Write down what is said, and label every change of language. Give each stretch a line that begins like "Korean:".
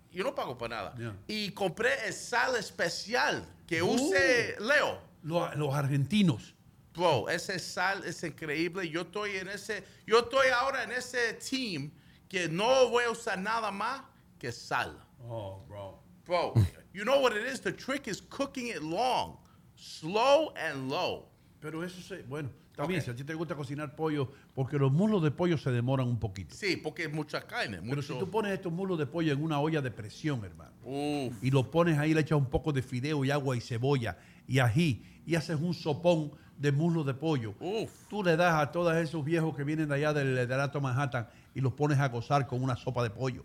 Spanish: Yo no pago para nada.
English: Yeah.
Spanish: Y compré el sal especial que use Leo. Los argentinos. Bro, ese sal es increíble. Yo estoy ahora en ese team que no voy a usar nada más que sal.
English: Oh, bro. Bro, you know what it is? The trick is cooking it long, slow and low.
Spanish: Pero eso se... Bueno, también, okay. Si a ti te gusta cocinar pollo, porque los muslos de pollo se demoran un poquito. Sí, porque es mucha carne. Pero si tú pones estos muslos de pollo en una olla de presión, hermano, y los pones ahí, le echas un poco de fideo y agua y cebolla y ají, y haces un sopón de muslos de pollo, tú le das a todos esos viejos que vienen de allá del Alto Manhattan y los pones a gozar con una sopa de pollo.